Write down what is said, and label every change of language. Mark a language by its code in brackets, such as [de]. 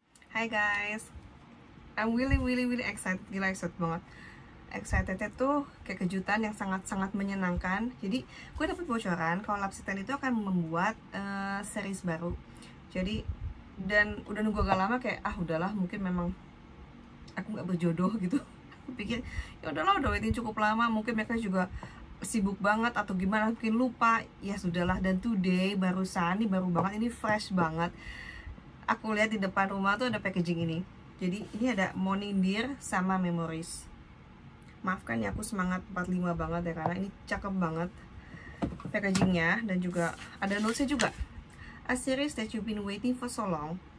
[en] Hi guys, I'm really really really excited, [id] gila excited banget. Excitednya tuh kayak kejutan yang sangat sangat menyenangkan. Jadi gue dapet bocoran kalau Lapsiten itu akan membuat series baru. Jadi dan udah nunggu agak lama, kayak ah udahlah mungkin memang aku nggak berjodoh gitu. Pikir ya udahlah udah waiting cukup lama, mungkin mereka juga sibuk banget atau gimana, mungkin lupa, ya sudahlah. Dan today barusan ini baru banget, ini fresh banget. Aku lihat di depan rumah tuh ada packaging ini. Jadi ini ada Morning Dear sama Memories. Maafkan ya aku semangat 45 banget ya, karena ini cakep banget packagingnya. Dan juga ada notesnya juga. [en] A series that you've been waiting for so long.